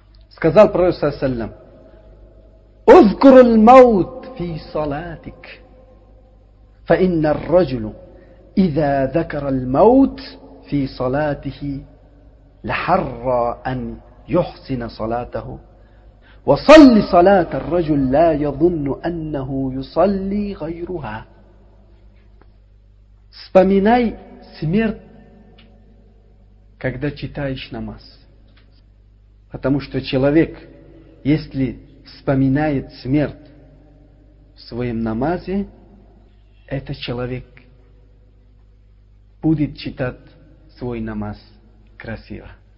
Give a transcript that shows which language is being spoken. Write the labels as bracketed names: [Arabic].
[Russian] Сказал пророк саллям: [Arabic] «Узкур аль-маут фи салатик, фа инна ар-раджулу иза закара аль-маут фи салатихи лахарра ан юхсина салатаху. وصلي صلاة الرجل لا يظن أنه يصلي غيرها». [Russian] Вспоминай смерть, когда читаешь намаз. Потому что человек, если вспоминает смерть в своем намазе, этот человек будет читать свой намаз красиво.